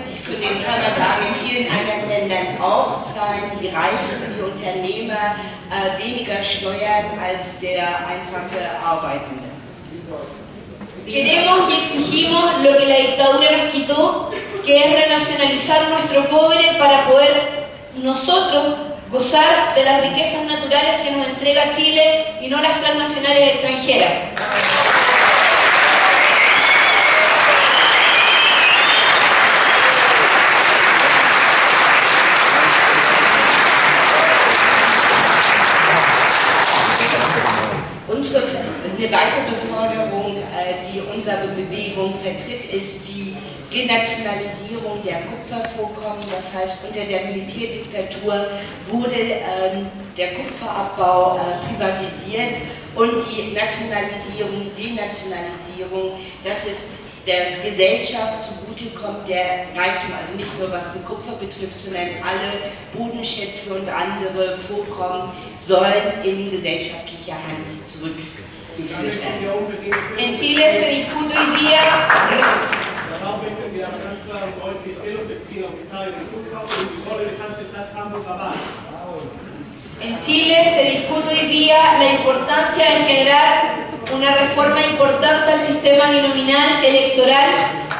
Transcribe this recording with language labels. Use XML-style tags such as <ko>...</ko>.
<de>Und den kann man sagen, in vielen anderen Ländern auch zahlen die Reichen, die Unternehmer weniger Steuern als der einfache Arbeitende.</de> <es>Queremos y exigimos lo que la dictadura nos quitó, que es renacionalizar nuestro cobre para poder nosotros gozar de las riquezas naturales que nos entrega Chile y no las transnacionales extranjeras.</es> <de>Eine weitere Forderung, die unsere Bewegung vertritt, ist die Renationalisierung der Kupfervorkommen. Das heißt, unter der Militärdiktatur wurde der Kupferabbau privatisiert und die Nationalisierung, Renationalisierung, dass es der Gesellschaft zugutekommt, der Reichtum, also nicht nur was den Kupfer betrifft, sondern alle Bodenschätze und andere Vorkommen sollen in gesellschaftlicher Hand zurückkommen.</de> <es>En Chile se discute hoy día. En Chile se discute hoy día la importancia de generar una reforma importante al sistema binominal electoral</es>